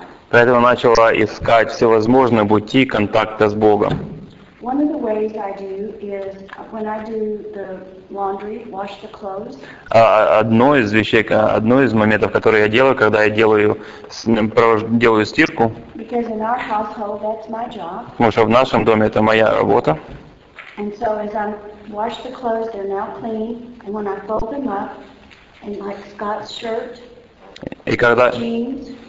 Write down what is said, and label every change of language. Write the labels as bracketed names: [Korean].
[Russian] Поэтому начала искать всевозможные пути контакта с Богом. [English] One of the ways I do is when I do the laundry, wash the clothes. [Russian] Одно из моментов, которые я делаю, когда я делаю стирку. [English] Because in our household, that's my job. [Russian] Потому что в нашем доме это моя работа. [English] And so as I wash the clothes, they're now clean. And when I fold them up, and like Scott's shirt, jeans.